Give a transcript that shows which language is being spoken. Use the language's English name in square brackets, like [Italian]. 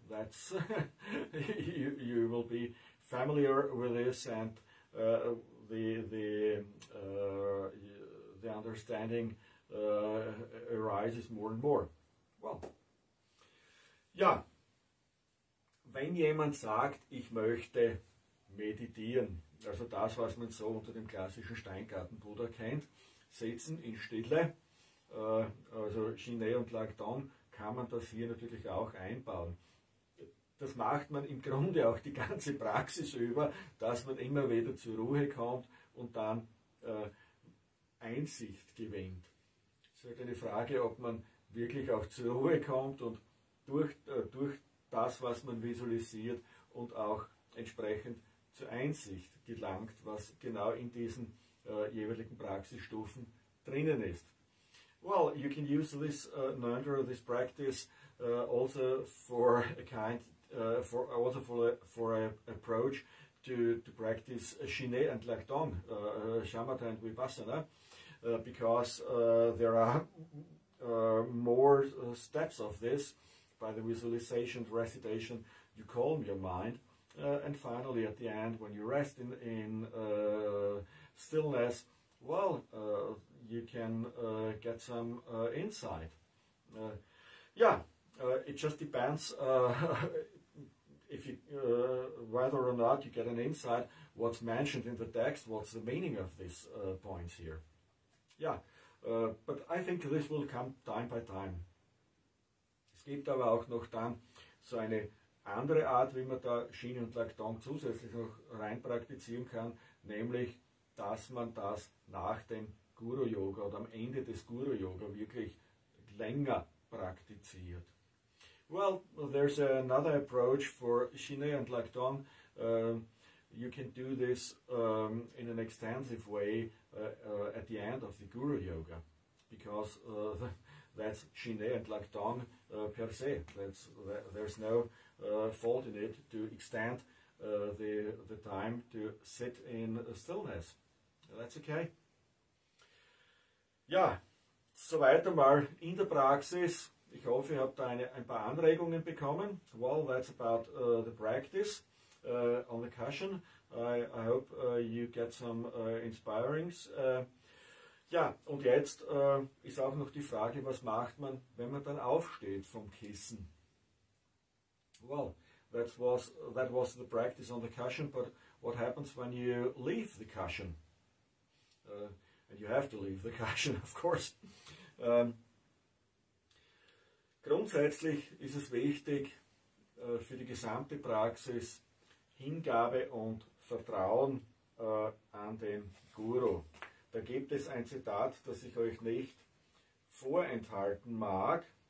[English] That's you will be familiar with this, and the understanding arises more and more. [German] Well, ja, wenn jemand sagt, ich möchte meditieren, also das, was man so unter dem klassischen Steingarten-Buddha kennt, sitzen in Stille, also Shinne und Lakdong, kann man das hier natürlich auch einbauen. Das macht man im Grunde auch die ganze Praxis über, dass man immer wieder zur Ruhe kommt und dann Einsicht gewinnt. Es ist eine Frage, ob man wirklich auch zur Ruhe kommt und durch das, was man visualisiert und auch entsprechend zur Einsicht gelangt, was genau in diesen jeweiligen Praxisstufen drinnen ist. [English] Well, you can use this Ngondro, this practice, also for a kind, for an approach to practice Shinne and Lakdong, Shamatha and Vipassana, because there are more steps of this. By the visualization, recitation, you calm your mind, and finally, at the end, when you rest in stillness, well, you can get some insight. It just depends whether or not you get an insight, what's mentioned in the text, what's the meaning of these points here. But I think this will come time by time. [German] Es gibt aber auch noch dann so eine andere Art, wie man da Shinne und Lakdong zusätzlich noch rein praktizieren kann, nämlich, dass man das nach dem Guru-Yoga oder am Ende des Guru-Yoga wirklich länger praktiziert. [English] Well, there's another approach for Shinne and Lakdong. You can do this in an extensive way at the end of the Guru-Yoga, because that's Shinne and Lakdong per se. There's no fault in it to extend the time to sit in stillness. That's okay. [German] Ja, soweit einmal in der Praxis. Ich hoffe, ihr habt da ein paar Anregungen bekommen. [English] Well, that's about the practice on the cushion. I hope you get some inspirings. [German] Ja, und jetzt ist auch noch die Frage, was macht man, wenn man dann aufsteht vom Kissen? [English] Well, that was the practice on the cushion, but what happens when you leave the cushion? And you have to leave the cushion, of course. [German] Grundsätzlich ist es wichtig für die gesamte Praxis Hingabe und Vertrauen an den Guru. Da gibt es ein Zitat, das ich euch nicht vorenthalten mag.